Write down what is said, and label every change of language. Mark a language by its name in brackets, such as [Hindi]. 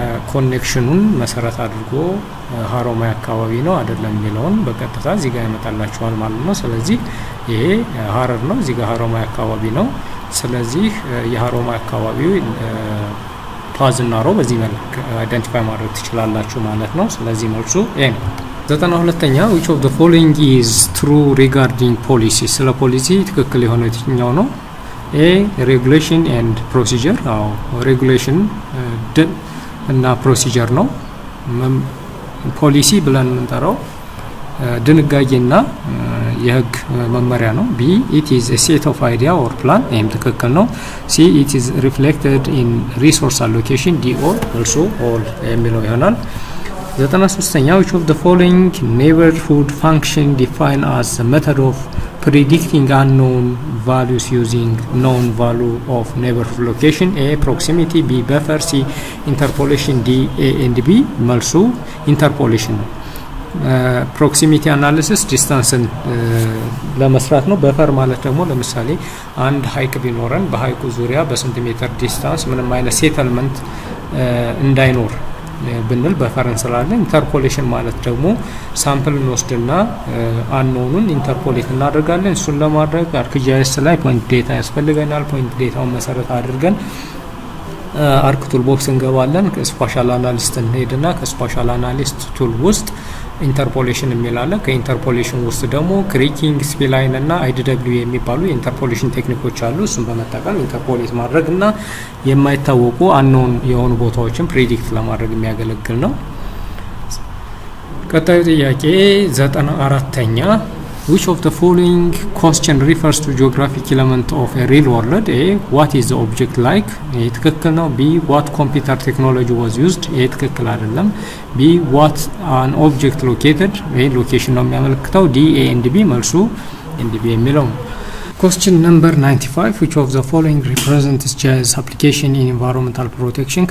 [Amharic] ኮኔክሽኑን መሰረት አድርጎ ሃሮማያ አካባቢ ነው አይደለም የሚለውን በቀጥታ እዚህ ጋር ያመጣላችኋል ማለት ነው። ስለዚህ ይሄ ሃረር ነው፣ እዚህ ጋር ሃሮማያ አካባቢ ነው። ስለዚህ የሃሮማያ አካባቢው ፓዝ እና ሮ በዚህ መልኩ አይደንቲፋይ ማድረግ ትችላላችሁ ማለት ነው። ስለዚህ መልሱ ይሄ ነው። 92ኛ [English] which of the following is true regarding policy [Amharic] ስለ ፖሊሲ ትክክል የሆነ የትኛው ነው? [English] A regulation and procedure አው regulation እና ፕሮሲጀር ነው። [Amharic] ፖሊሲ ብለን እንጠራው ድንጋጌና የህግ መመሪያ ነው። [English] B it is a set of idea or plan aimed [Amharic] ትክክል ነው። [English] C it is reflected in resource allocation D or also all [Amharic] የሚለው ይሆናል። 93ኛ [English] which of the following neighborhood function define as a method of predicting unknown values using known value of neighborhood location? A proximity, B buffer, C interpolation, D A and B. [Amharic] መልሱ interpolation ነው። Proximity analysis distance-ን ለመስራት ነው። buffer ማለት ደግሞ ለምሳሌ አንድ ሃይክ ቢኖረን በሃይኩ ዙሪያ በሴንቲሜትር ዲስታንስ ምንም አይነት ሴትልመንት እንዳይኖር ብንል በፈረንስ ላለ። ኢንተርፖሌሽን ማለት ደግሞ ሳምፕል ኖስድና አንኖኑን ኢንተርፖሌት እናደርጋለን። እሱን ለማድረግ አርክጂኤስ ላይ ፖይንት ዴታ ያስፈልጋናል። ፖይንት ዴታውን መሰረት አድርገን አርክ ቱል ቦክስ እንገባለን። ስፓሻል አናሊስት እንሄድና ከስፓሻል አናሊስት ቱል ውስጥ ኢንተርፖሌሽን እንላለን። ከኢንተርፖሌሽን ውስጥ ደግሞ ክሪኪንግ ስፒላይን እና IDW የሚባሉ ኢንተርፖሌሽን ቴክኒኮች አሉ። እሱን በመጠቀም ኢንተርፖሌት ማድረግና የማይታወቁ አንኖን የሆኑ ቦታዎችን ፕሪዲክት ለማድረግ የሚያገለግል ነው። ቀጣዩ ጥያቄ 94ኛ [English] which of the following question refers to geographic element of a real world? A what is the object like? A [Amharic] ትክክል ነው። [English] B what computer technology was used? A [Amharic] ትክክል አይደለም። [English] B what an object located? A location [Amharic] ነው የሚያመለክተው። [English] D A and B. መልሱ and B የሚለው። Question number 95 which of the following represents GeEs application in environmental protection?